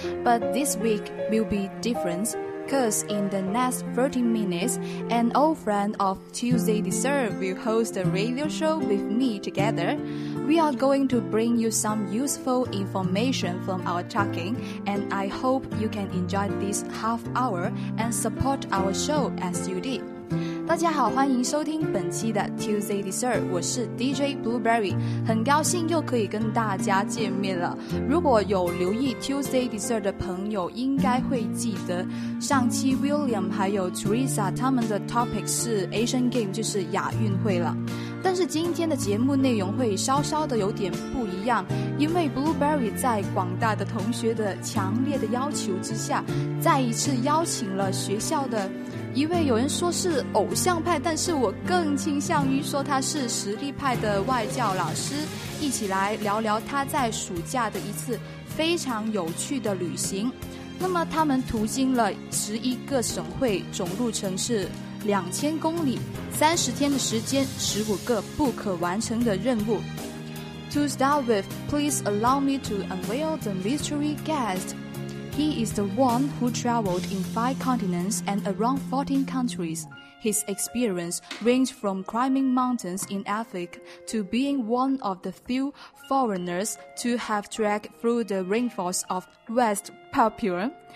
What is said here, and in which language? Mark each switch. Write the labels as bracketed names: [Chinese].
[English] But this week will be different. Because in the next 30 minutes, an old friend of Tuesday Dessert will host a radio show with me together. We are going to bring you some useful information from our talking, and I hope you can enjoy this half hour and support our show as you did. [Chinese] 大家好，欢迎收听本期的 Tuesday Dessert， 我是 DJ Blueberry， 很高兴又可以跟大家见面了。如果有留意 Tuesday Dessert 的朋友应该会记得，上期 William 还有 Teresa 他们的 topic 是 Asian Game， 就是亚运会了。但是今天的节目内容会稍稍的有点不一样，因为 Blueberry 在广大的同学的强烈的要求之下，再一次邀请了学校的一位，有人说是偶像派，但是我更倾向于说他是实力派的外教老师，一起来聊聊他在暑假的一次非常有趣的旅行。那么他们途经了11个省会，总路程是2000公里，30天的时间，15个不可完成的任务。 [English] To start with, please allow me to unveil the mystery guest. He is the one who traveled in 5 continents and around 14 countries. His experience ranged from climbing mountains in Africa to being one of the few foreigners to have trekked through the rainforest of West Papua.